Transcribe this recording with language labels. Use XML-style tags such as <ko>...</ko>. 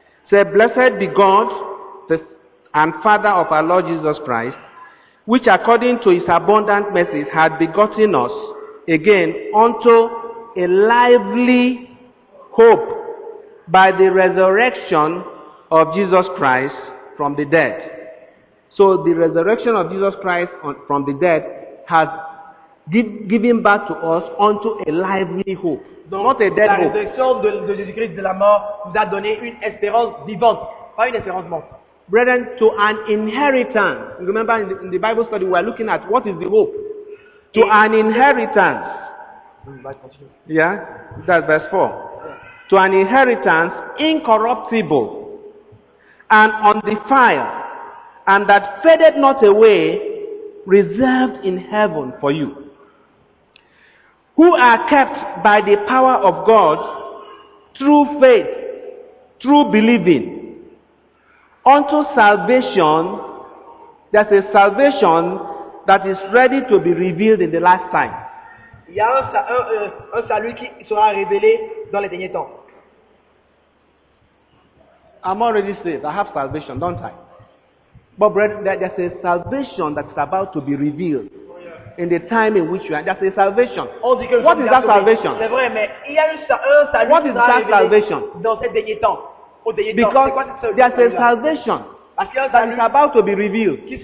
<en>Say, blessed be God, the and Father of our Lord Jesus Christ, which according to his abundant mercy hath begotten us again unto a lively hope by the resurrection of Jesus Christ from the dead. So the resurrection of Jesus Christ from the dead has given back to us unto a lively hope.</en> <fr>Donc,</fr> <en>not a dead</en> <fr>la</fr> <en>hope.</en> <fr>La résurrection de Jésus-Christ de la mort nous a donné une espérance vivante, pas une espérance morte.</fr> <en>Brethren, to an inheritance. You remember in the Bible study we are looking at what is the hope? To an inheritance. Yeah, that's verse 4. To an inheritance incorruptible and undefiled, and that fadeth not away, reserved in heaven for you, who are kept by the power of God through faith, through believing, unto salvation. There's a salvation that is ready to be revealed in the last time.</en> <fr>Il y a un salut qui sera révélé dans les derniers temps.</fr> <en>I'm already saved. I have salvation, don't I? But brethren, there's a salvation that is about to be revealed in the time in which you are. There's a salvation. What is that salvation? What is that salvation? Because there's a salvation that is about to be revealed.</en>